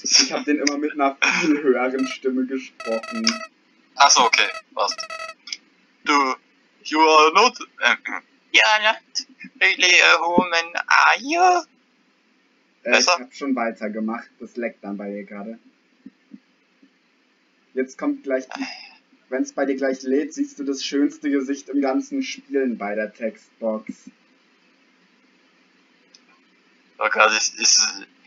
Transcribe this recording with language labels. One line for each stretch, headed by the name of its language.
German: Ich hab den immer mit einer viel höheren Stimme gesprochen. Achso, okay. Passt. Du.
English: You are not. You are not really a woman, are you?
German: Ich hab schon weitergemacht, das leckt dann bei dir gerade. Jetzt kommt gleich die. Wenn's bei dir gleich lädt, siehst du das schönste Gesicht im ganzen Spielen bei der Textbox. Oh Gott, ist.